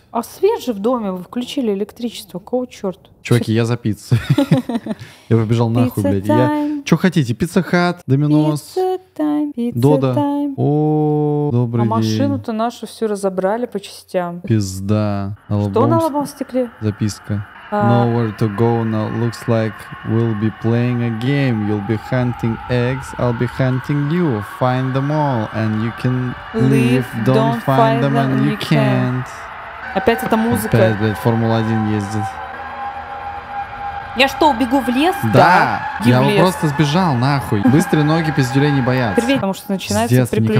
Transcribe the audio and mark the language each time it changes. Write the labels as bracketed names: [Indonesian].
[Russian] А свет же в доме, вы включили электричество. Какого черта? Чуваки, я за пиццу. Я побежал нахуй, блядь. Я. Что хотите? Пицца Хат, Доминос. Пицца Тайм. О, добрый день. А машину-то нашу всю разобрали по частям. Пизда. Что на лобовом стекле? Записка. [English] Nowhere to go now. Looks like we'll be playing a game. You'll be hunting eggs, I'll be hunting you. Find them all and you can leave. Don't find them and you can't. [Russian] Опять эта музыка. Опять, блядь, Формула-1 ездит. Я что, убегу в лес? Да, да? Я лес. Просто сбежал, нахуй. Быстрые ноги, пиздюлей не боятся. Привет. Потому что начинается приключение.